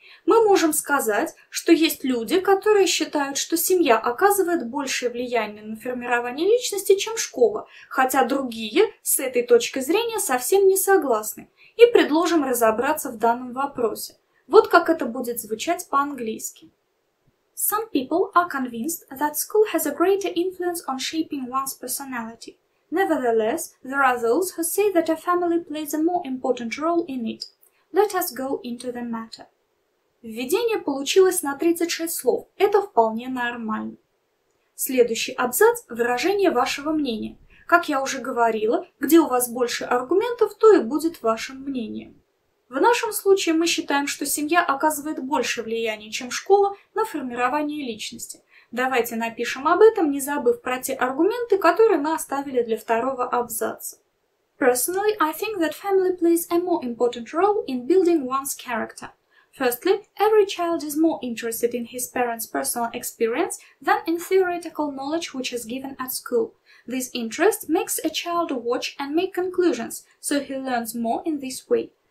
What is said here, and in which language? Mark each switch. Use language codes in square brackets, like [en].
[ru] Мы можем сказать, что есть люди, которые считают, что семья оказывает большее влияние на формирование личности, чем школа, хотя другие с этой точки зрения совсем не согласны, и предложим разобраться в данном вопросе. Вот как это будет звучать по-английски. [en] Some people are convinced that school has a greater influence on shaping one's personality. Nevertheless, there are those who say that a family plays a more important role in it. Let us go into the matter. [ru] Введение получилось на 36 слов. Это вполне нормально. Следующий абзац – выражение вашего мнения. Как я уже говорила, где у вас больше аргументов, то и будет вашим мнением. В нашем случае мы считаем, что семья оказывает больше влияния, чем школа, на формирование личности. Давайте напишем об этом, не забыв про те аргументы, которые мы оставили для второго абзаца. [en] Personally, I think that family plays a more important role in building one's character. Firstly, every child is more interested in his parents' personal experience than in theoretical knowledge which is given at school. This interest makes a child watch and make conclusions, so he learns more in this way.